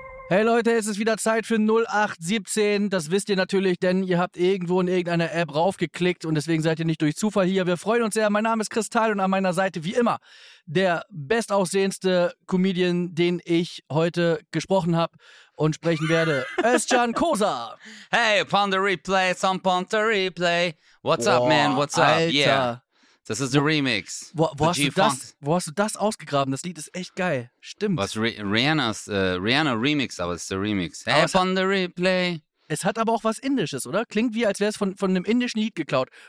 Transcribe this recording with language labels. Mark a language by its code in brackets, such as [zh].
[de] Hey Leute, es ist wieder Zeit für 0817. Das wisst ihr natürlich, denn ihr habt irgendwo in irgendeiner App raufgeklickt und deswegen seid ihr nicht durch Zufall hier. Wir freuen uns sehr. Mein Name ist Kristall und an meiner Seite wie immer der bestaussehendste Comedian, den ich heute gesprochen habe und sprechen werde, Özcan Kosa. [en] Hey, upon the replay, some upon the replay. What's up, man? What's up? Alter. Yeah. [de] Das ist ein Remix. Wo hast du das ausgegraben? Das Lied ist echt geil. Stimmt. Was Rihanna Remix, aber es ist der Remix. [en] Hey, upon the replay. [de] Es hat aber auch was Indisches, oder? Klingt wie, als wäre es von einem indischen Lied geklaut.